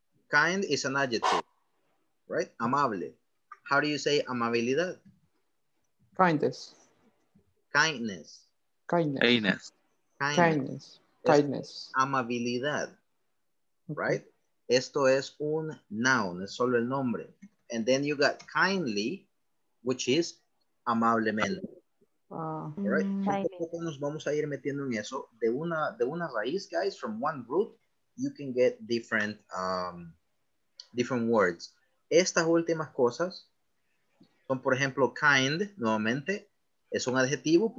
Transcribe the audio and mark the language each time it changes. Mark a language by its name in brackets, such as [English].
[English] Kind is an adjective, right? Amable. How do you say amabilidad? Kindness. Kindness. Kindness. Kindness. Kindness. Kindness. Kindness. [Spanish] Amabilidad, right? Esto es un noun, es solo el nombre. [English] And then you got kindly, which is amablemente. Right? [Spanish] Poco a poco nos vamos a ir metiendo en eso. De una raíz, guys, [English] from one root, you can get different, different words. [Spanish] Estas últimas cosas son, por ejemplo, kind, nuevamente, es un adjetivo.